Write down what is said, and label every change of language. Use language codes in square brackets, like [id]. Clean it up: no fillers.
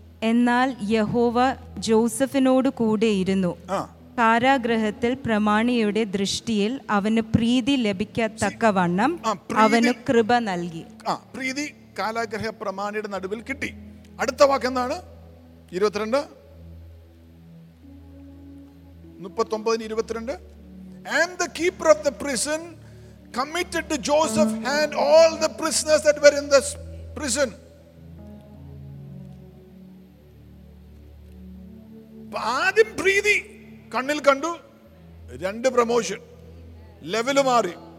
[ml] എന്നാൽ യഹോവ ജോസഫിനോട് കൂടെ ഇരുന്നു, കാരാഗ്രഹത്തിൽ പ്രമാണിയുടെ ദൃഷ്ടിയിൽ അവന് പ്രീതി ലഭിക്കത്തക്കവണ്ണം അവന് കൃപ നൽകി. പ്രീതി കാരാഗ്രഹ പ്രമാണിയുടെ നടുവിൽ കിട്ടി. അടുത്ത വാക്ക് എന്താണ്? [en] 39:22 And the keeper of the prison committed to Joseph and all the prisoners that were in the prison. [ml] ആദ്യം പ്രീതി കണ്ണിൽ കണ്ടു, രണ്ട് പ്രമോഷൻ, ലെവല് മാറി.